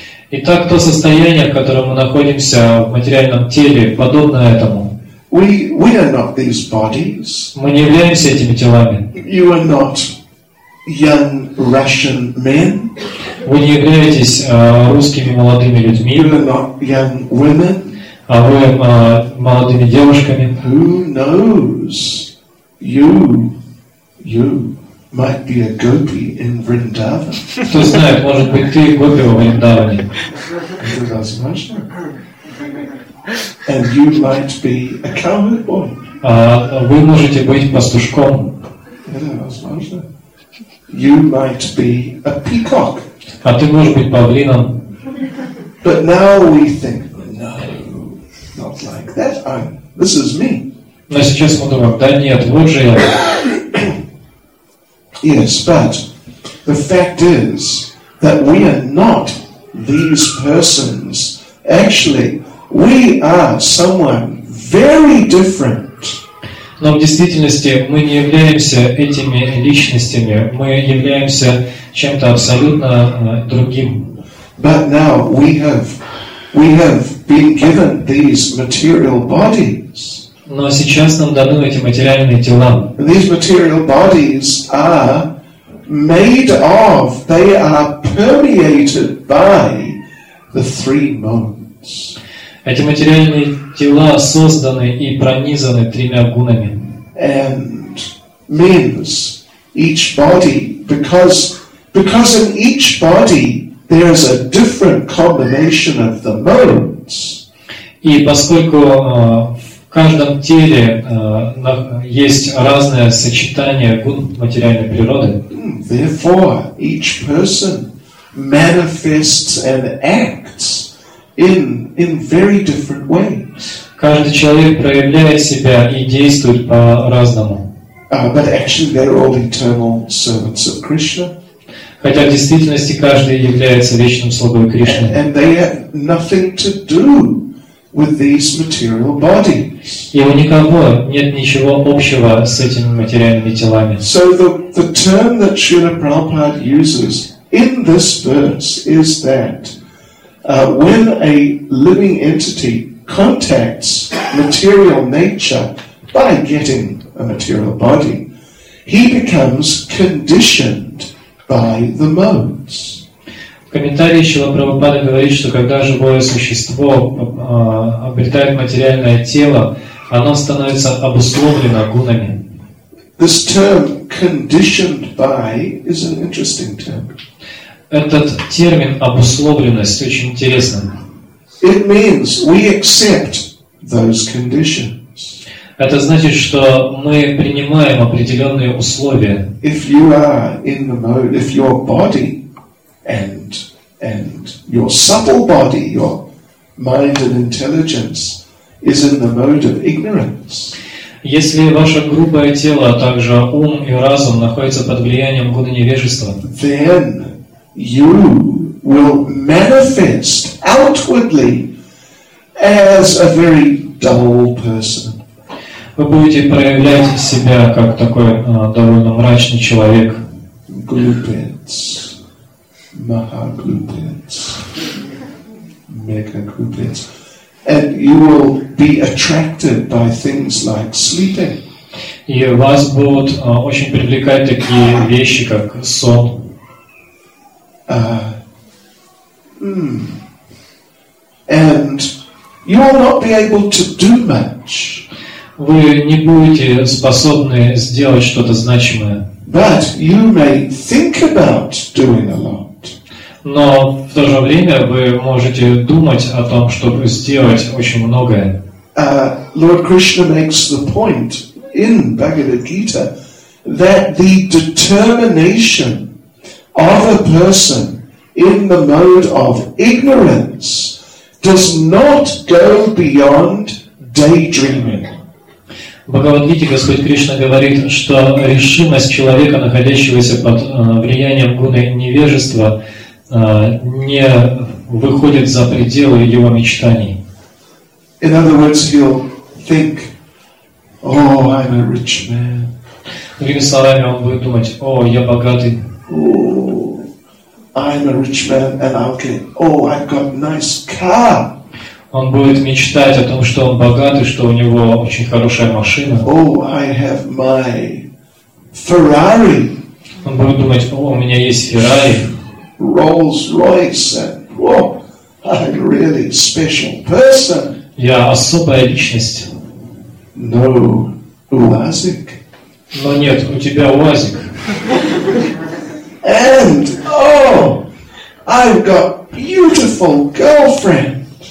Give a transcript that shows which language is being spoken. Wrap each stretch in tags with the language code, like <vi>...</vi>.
<ru>Итак, то состояние, в котором мы находимся в материальном теле, подобно этому.</ru> <en>We are not these bodies.</en> <ru>Мы не являемся этими телами.</ru> <en>You are not young Russian men.</en> <ru>Вы не являетесь русскими молодыми людьми.</ru> <en>You are not young women.</en> <ru>А вы молодыми девушками.</ru> <en>Who knows? You might be a gopi in Vrindavan.</en> <ru>Кто знает, может быть, ты гопи во Вриндаване. Это возможно.</ru> <en>And you might be a cowherd boy.</en> <ru>Вы можете быть пастушком. Это возможно.</ru> <en>You might be a peacock.</en> <ru>А ты можешь быть павлином.</ru> <en>But now we think, no. Not like that. This is me.</en> <ru>Но сейчас мы думаем, да нет, вот же я.</ru> <en>Yes, but the fact is that we are not these persons. Actually, we are someone very different.</en> <ru>Но в действительности мы не являемся этими личностями, мы являемся чем-то абсолютно другим.</ru> <en>But now we have been given these material bodies.</en> <ru>Но сейчас нам даны эти материальные тела.</ru> <en>These material bodies are made of, they are permeated by the three modes.</en> <ru>Эти материальные тела созданы и пронизаны тремя гунами.</ru> <en>And means each body, because in each body there is a different combination of the modes.</en> <ru>И поскольку в каждом теле есть разное сочетание гун материальной природы.</ru> <en>Therefore, each person manifests and acts in very different ways.</en> <ru>Каждый человек проявляет себя и действует по-разному.</ru> <en>But actually, they're all eternal servants of Krishna.</en> <ru>Хотя в действительности каждый является вечным слугой Кришны.</ru> <en>And they have nothing to do with these material bodies.</en> <ru>И у никого нет ничего общего с этими материальными телами.</ru> <en>So the term that Srila Prabhupada uses in this verse is that when a living entity contacts material nature by getting a material body, he becomes conditioned by the modes.</en> <ru>В комментарии Шрила Прабхупада говорит, что когда живое существо обретает материальное тело, оно становится обусловлено гунами.</ru> <en>This term, conditioned by, is an interesting term.</en> <ru>Этот термин «обусловленность» очень интересен.</ru> <en>It means we accept those conditions.</en> <ru>Это значит, что мы принимаем определенные условия.</ru> <en>If you are in the mode, if your body and your subtle body, your mind and intelligence is in the mode of ignorance.</en> <ru>Если ваше грубое тело, а также ум и разум находятся под влиянием гуна невежества,</ru> <en>then you will manifest outwardly as a very dull person.</en> <ru>Вы будете проявлять себя как такой довольно мрачный человек. Глупец. Mahaglupets, megaglupets,</ru> <en>and you will be attracted by things like sleeping.</en> <ru>И вас будут очень привлекать такие вещи, как сон.</ru> <en>And you will not be able to do much.</en> <ru>Вы не будете способны сделать что-то значимое.</ru> <en>But you may think about doing a lot.</en> <ru>Но в то же время вы можете думать о том, чтобы сделать очень многое.</ru> <en>Lord Krishna makes the point in Bhagavad Gita that the determination of a person in the mode of ignorance does not go beyond daydreaming.</en> <ru>В Бхагавад-гите Господь Кришна говорит, что решимость человека, находящегося под влиянием гуны невежества, не выходит за пределы его мечтаний.</ru> <en>In other words, he'll think, oh, I'm a rich man.</en> <ru>Другими словами, он будет думать, о, я богатый.</ru> <en>Oh, I'm a rich man, and I'll get, oh, I've got a nice car.</en> <ru>Он будет мечтать о том, что он богатый, что у него очень хорошая машина.</ru> <en>Oh, I have my Ferrari.</en> <ru>Он будет думать, о, у меня есть Ferrari.</ru> <en>Rolls-Royce, and whoa, I'm a really special person.</en> <ru>Я особая личность.</ru> <en>No, УАЗик.</en> <ru>Но нет, у тебя УАЗик.</ru> <en>And, oh, I've got beautiful girlfriend.</en>